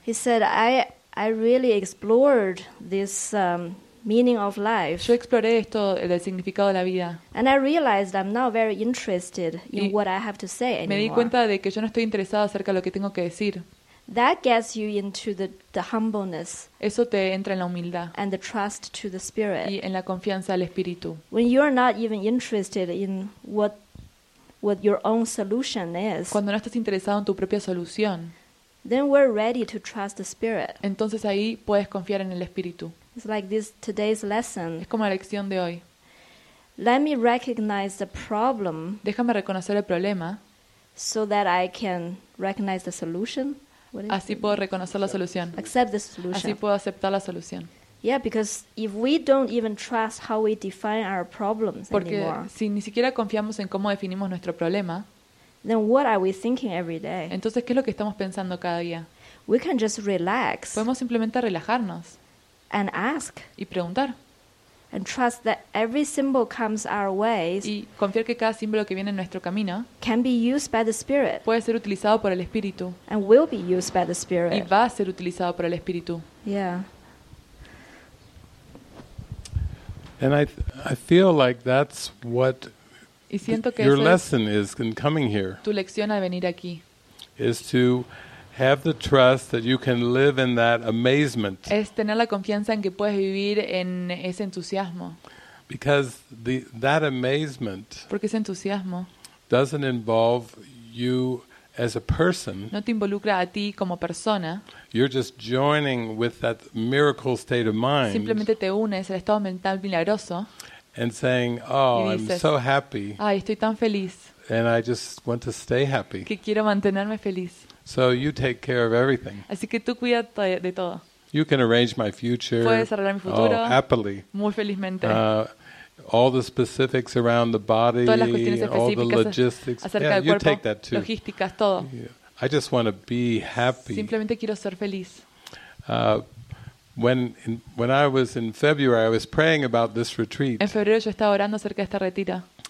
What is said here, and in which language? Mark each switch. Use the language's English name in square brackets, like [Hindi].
[English] He said, "I really explored this meaning of life." [Spanish] Yo exploré esto, el significado de la vida. [English] And I realized I'm not very interested in what I have to say anymore. [Spanish] Me di cuenta de que yo no estoy interesado acerca de lo que tengo que decir. [English] That gets you into the humbleness. [Spanish] Eso te entra en la humildad. [English] And the trust to the spirit. [Spanish] Y en la confianza al espíritu. [English] When you are not even interested in what your own solution is. [Spanish] Cuando no estás interesado en tu propia solución. [English] Then we're ready to trust the spirit. [Spanish] Entonces ahí puedes confiar en el espíritu. [English] It's like this today's lesson. [Spanish] Es como la lección de hoy. [English] Let me recognize the problem. [Spanish] Déjame reconocer el problema. [English] So that I can recognize the solution. [Spanish] Así puedo reconocer la solución. [English] Accept the solution. [Spanish] Así puedo aceptar la solución. [English] Yeah, because if we don't even trust how we define our problems [Spanish] porque [English] anymore. [Spanish] Porque si ni siquiera confiamos en cómo definimos nuestro problema. [English] Then what are we thinking every day? [Spanish] Entonces, ¿qué es lo que estamos pensando cada día? [English] We can just relax. [Spanish] Podemos simplemente relajarnos. [English] And ask. [Spanish] Y preguntar. [English] And trust that every symbol comes our way. [Spanish] Y confiar que cada símbolo que viene en nuestro camino [English] can be used by the spirit. [Spanish] Puede ser utilizado por el espíritu. [English] And will be used by the spirit. [Spanish] Y va a ser utilizado por el espíritu. [English] Yeah. And I feel like that's what your lesson is in coming here. [Spanish] Tu lección al venir aquí. [English] Is to have the trust that you can live in that amazement. [Spanish] Es tener la confianza en que puedes vivir en ese entusiasmo. [English] Because that amazement. [Spanish] Porque ese entusiasmo. [English] Doesn't involve you as a person. [Spanish] No te involucra a ti como persona. [English] You're just joining with that miracle state of mind. [Spanish] Simplemente te unes al estado mental milagroso. [English] And saying, "Oh, [Spanish] dices, [English] I'm so happy." [Spanish] Ay, estoy tan feliz. [English] And I just want to stay happy. [Spanish] Que quiero mantenerme feliz. [English] So you take care of everything. [Spanish] Así que tú cuídate de todo. [English] You can arrange my future. [Spanish] Puedes arreglar mi futuro. [English] Oh, happily. [Spanish] Muy felizmente. [English] All the specifics around the body. [Spanish] Todas las cuestiones específicas [English] all the logistics. [Spanish] Acerca del [English] yeah, [Spanish] cuerpo. [English] You take that too. [Spanish] Logísticas, todo. [English] I just want to be happy. [Spanish] Simplemente quiero ser feliz. [English] When I was in February, I was praying about this retreat. [Spanish] En febrero yo estaba orando acerca de este retiro.